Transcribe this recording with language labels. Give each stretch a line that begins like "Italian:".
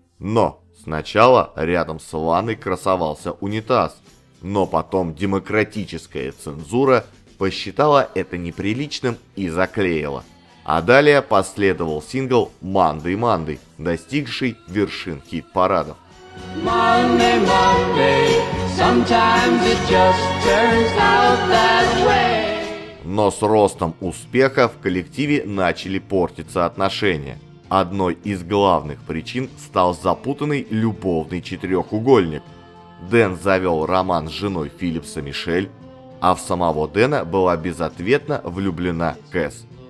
Russian: Но сначала рядом с ванной красовался унитаз. Но потом демократическая цензура посчитала это неприличным и заклеила. А далее последовал сингл «Monday Monday», достигший вершин хит-парадов.
English: Monday, Monday, sometimes it just turns out that way.
Russian: Но с ростом успеха в коллективе начали портиться отношения. Одной из главных причин стал запутанный любовный четырехугольник. Дэн завел роман с женой Филлипса Мишель, а в самого Дэна была безответно влюблена Кэс.